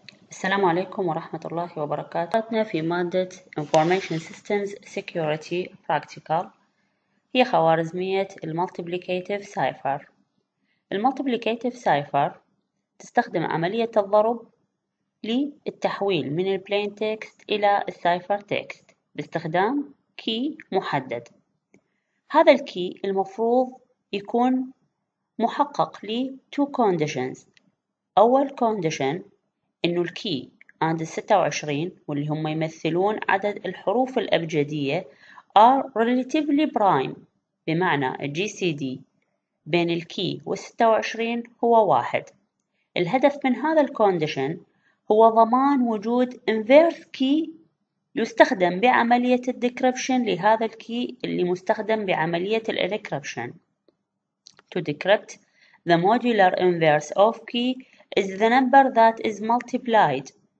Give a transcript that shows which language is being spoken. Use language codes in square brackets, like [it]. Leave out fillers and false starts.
[ar] السلام عليكم ورحمة الله وبركاته. درسنا في مادة Information Systems Security Practical هي خوارزمية Multiplicative Cipher. Multiplicative Cipher تستخدم عملية الضرب للتحويل من Plain Text إلى Cipher Text باستخدام Key محدد. هذا الكي المفروض يكون محقق لـ Two Conditions. أول Condition إنه الكي عند 26 واللي هم يمثلون عدد الحروف الأبجدية are relatively prime، بمعنى GCD بين الكي و26 هو 1. الهدف من هذا الكونديشن هو ضمان وجود inverse key يستخدم بعملية الديكريبشن لهذا الكي اللي مستخدم بعملية الإنكريبشن. [en] To decrypt the modular inverse of key is the number that is multiplied.